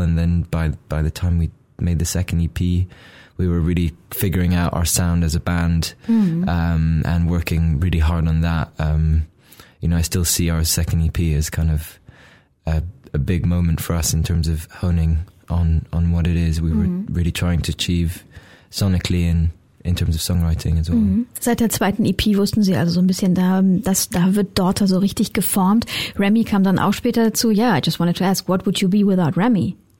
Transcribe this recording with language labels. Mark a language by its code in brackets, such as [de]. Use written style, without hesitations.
[en] And then by the time we made the second EP, we were really figuring out our sound as a band and working really hard on that. You know, I still see our second EP as kind of a big moment for us in terms of honing on what it is we were really trying to achieve sonically and in terms of songwriting as well. Mm-hmm. [de] Seit der zweiten EP wussten sie also so ein bisschen, da wird Daughter so richtig geformt. Remy kam dann auch später dazu. [en] Yeah, I just wanted to ask, what would you be without Remy?